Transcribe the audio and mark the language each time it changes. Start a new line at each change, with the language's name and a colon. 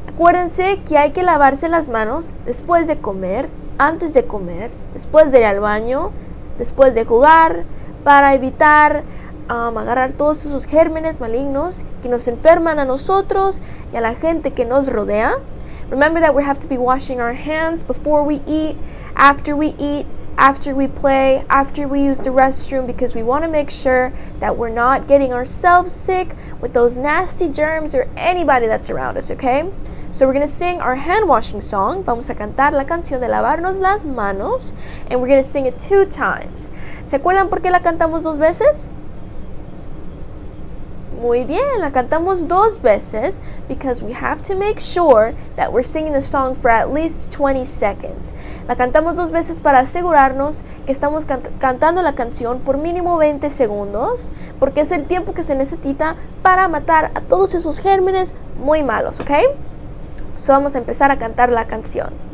Spanish: Acuérdense que hay que lavarse las manos después de comer, antes de comer, después de ir al baño, después de jugar, para evitar agarrar todos esos gérmenes malignos que nos enferman a nosotros y a la gente que nos rodea.
English: Remember that we have to be washing our hands before we eat, after we play, after we use the restroom, because we want to make sure that we're not getting ourselves sick with those nasty germs or anybody that's around us, okay? So we're going to sing our hand washing song.
Spanish: Vamos a cantar la canción de lavarnos las manos.
English: And we're going to sing it two times.
Spanish: ¿Se acuerdan por qué la cantamos dos veces? Muy bien, la cantamos dos veces.
English: Because we have to make sure that we're singing the song for at least 20 seconds.
Spanish: La cantamos dos veces para asegurarnos que estamos cantando la canción por mínimo 20 segundos. Porque es el tiempo que se necesita para matar a todos esos gérmenes muy malos, ¿ok? So vamos a empezar a cantar la canción.